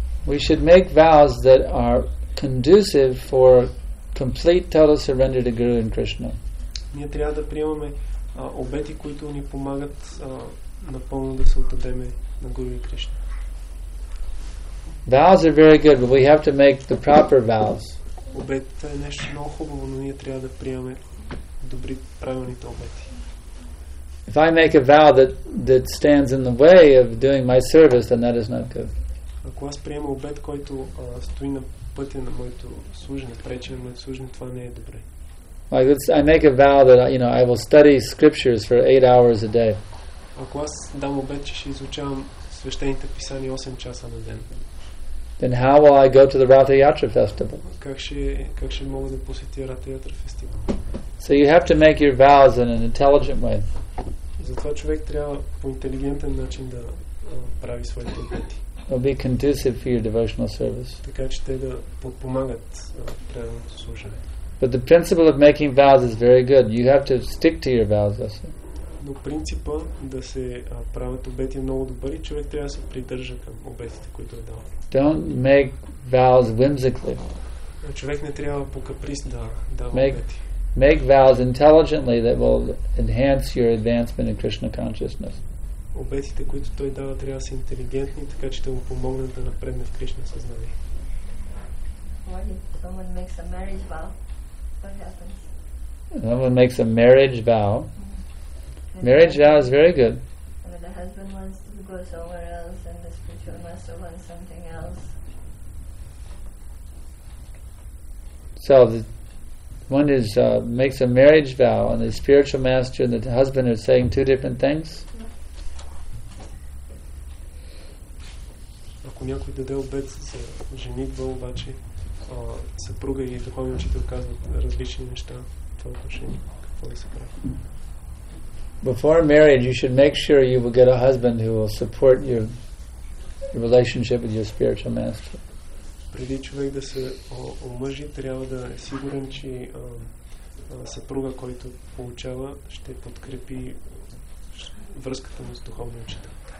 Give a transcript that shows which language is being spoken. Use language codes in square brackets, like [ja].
[en] We should make vows that are conducive for complete total surrender to Guru and Krishna. [bg] Ние трябва да приемаме обети, които ни помагат напълно да се отдадем на Гуру и Кришна. [en] Vows are very good, but we have to make the proper vows. [bg] Обетите е нещо много хубаво, но ние трябва да приемаме добри правилните обети. [en] If I make a vow that stands in the way of doing my service, then that is not good. [bg] Ако аз приема обет, който стои на пътя на моето служене, пречи на моето служене, това не е добре. [en] I make a vow that I will study scriptures for 8 hours a day. [bg] Ако аз дам обет, че ще изучавам свещените писания 8 часа на ден. [en] Then how will I go to the Ratha Yatra festival? [bg] Как ще мога да посетя Ратха Ятра фестивал? [en] So you have to make your vows in an intelligent way. [bg] Затова човек трябва по интелигентен начин да прави своите обети. [en] It'll be conducive for your devotional service. [bg] Така че те да подпомагат правилното служене. [en] But the principle of making vows is very good. You have to stick to your vows, also. [bg] Но принципът да се правят обети е много добър и човек трябва да се придържа към обетите, които е дал. [en] Don't make vows whimsically. [bg] Човек не трябва по каприз да обети. [en] Make vows intelligently that will enhance your advancement in Krishna consciousness. [bg] Обетите, които той дава, трябва да са интелигентни, така че те му помогнат да напредне в Кришна съзнание. [en] What if someone makes a marriage vow? What happens? Someone makes a marriage vow. Marriage vow is very good. And the husband wants to go somewhere else and the spiritual master wants something else. So the one is makes a marriage vow and the spiritual master and the husband are saying two different things. [bg] Ако някой даде обет за женитба, обаче съпруга и духовен учител казват различни неща, това отношение, какво да се прави? [en] Before marriage, you should make sure you will get a husband who will support your relationship with your spiritual master. [bg] преди човек да се омъжи, трябва да е сигурен, че съпруга, който получава, ще подкрепи връзката му с духовния учител.